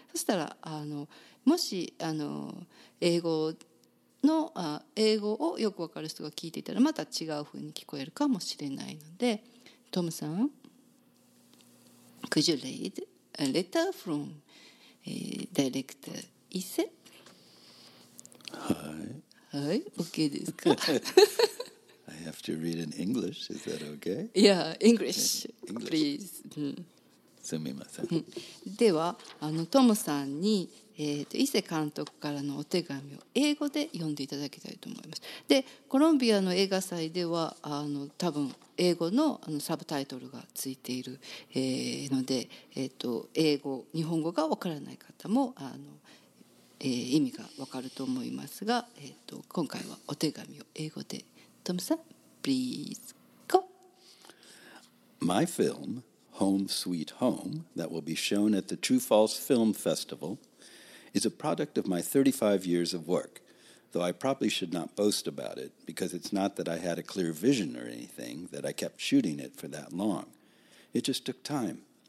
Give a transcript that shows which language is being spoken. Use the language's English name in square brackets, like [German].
[Japanese] そしたらもし英語の英語をよくわかる人が聞いていたらまた違う風に聞こえるかもしれないので、トムさん、 [English] Could you read a letter from director Ise? Hi. Hi. Okay, [Japanese] ですか。 [English] I have to read in English. Is that okay? Yeah, English, English. Please. [Japanese] すみません。ではトムさんに伊勢監督からのお手紙を英語で読んでいただきたいと思います。でコロンビアの映画祭では多分英語 のサブタイトルがついている、ので、英語日本語がわからない方も意味がわかると思いますが、今回はお手紙を英語で。 [English] トムさん please go。 My film Home Sweet Home that will be shown at the True False Film Festivalis a product of my 35 years of work, though I probably should not boast about it, because it's not that I had a clear vision or anything, that I kept shooting it for that long. It just took time.